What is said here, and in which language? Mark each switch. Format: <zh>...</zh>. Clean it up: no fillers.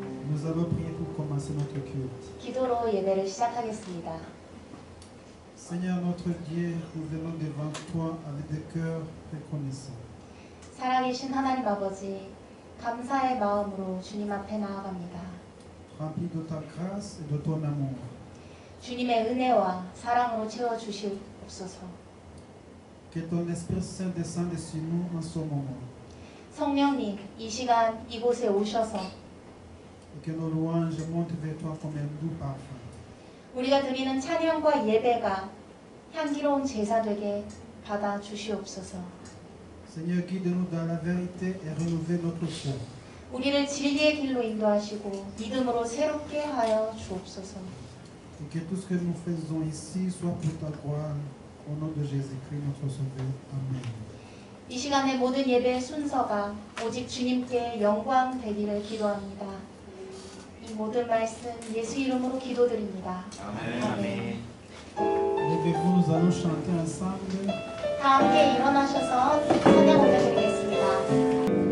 <fr>Nous allons prier pour commencer notre culte. Seigneur notre Dieu, nous venons devant toi avec des cœurs reconnaissants.</fr> <ko>살아계신 하나님 아버지, 감사의 마음으로 주님 앞에 나아갑니다.</ko> <fr>Rempli de ta grâce et de ton amour.</fr> <ko>주님의 은혜와 사랑으로 채워 주시옵소서.</ko> <fr>Que ton Esprit Saint descende sur nous en ce moment.</fr> <ko>성령님, 이 시간 이곳에 오셔서.</ko> <fr>Et que nos louanges montent vers toi comme un doux parfum.</fr> <ko>우리가 드리는 찬양과 예배가 향기로운 제사 되게 받아 주시옵소서.</ko> <fr>Seigneur, guide-nous dans la vérité et renouvelle notre foi.</fr> <ko>우리를 진리의 길로 인도하시고 믿음으로 새롭게 하여 주옵소서.</ko> <fr>Et que tout ce que nous faisons ici soit pour ta gloire. Au nom de Jésus-Christ, notre Sauveur. Amen.</fr> <ko>이 시간의 모든 예배 순서가 오직 주님께 영광 되기를 기도합니다. 이 모든 말씀 예수 이름으로 기도드립니다. 아멘. 아멘.</ko> <fr>Nous allons chanter ensemble.</fr> <ko>다 함께 일어나셔서 찬양 올려드리겠습니다.</ko>